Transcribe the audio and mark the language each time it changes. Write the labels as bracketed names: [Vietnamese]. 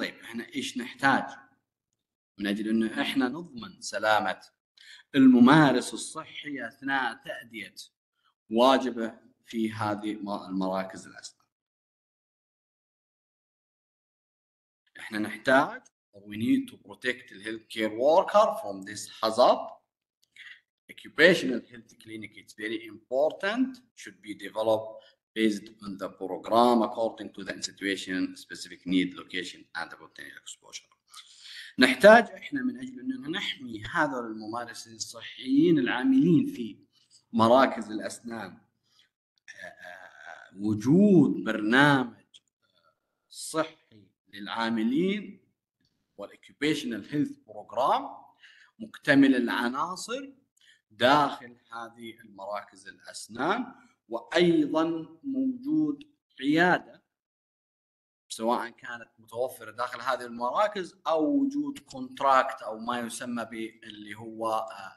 [Arabic] طيب احنا ايش نحتاج من اجل انه احنا نضمن سلامة الممارس الصحي اثناء تأدية واجبه في هذه المراكز الأسنان؟ احنا نحتاج [English] we need to protect the healthcare worker from this hazard. Occupational health clinic, it's very important, should be developed based on the program according to the situation, specific need, location, and the potential exposure. [Arabic] نحتاج احنا من اجل ان نحمي هذا الممارسين الصحيين العاملين في مراكز الاسنان وجود برنامج صحي للعاملين والاوكيبيشنال هيلث بروجرام مكتمل العناصر داخل هذه المراكز الأسنان، وأيضا موجود عيادة سواء كانت متوفرة داخل هذه المراكز أو وجود كونتراكت أو ما يسمى باللي هو